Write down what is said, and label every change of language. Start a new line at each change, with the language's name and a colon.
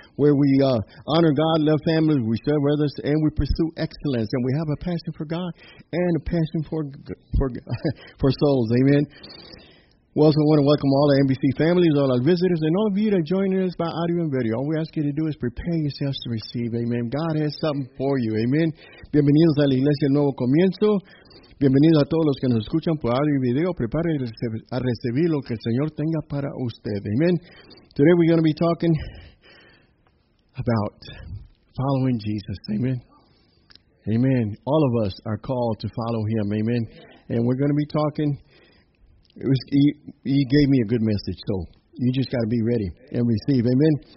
English: Where we honor God, love family, we serve others, and we pursue excellence. And we have a passion for God and a passion for souls. Amen. We also want to welcome all the NBC families, all our visitors, and all of you that are joining us by audio and video. All we ask you to do is prepare yourselves to receive. Amen. God has something for you. Amen.
Spanish: Bienvenidos a la Iglesia Nuevo Comienzo. Bienvenidos a todos los que nos escuchan por audio y video. Prepare a recibir lo que el Señor tenga para usted. Amen.
English: Today we're going to be talking about following Jesus. Amen. Amen. All of us are called to follow Him. Amen. And we're going to be talking. He gave me a good message, so you just got to be ready and receive. Amen.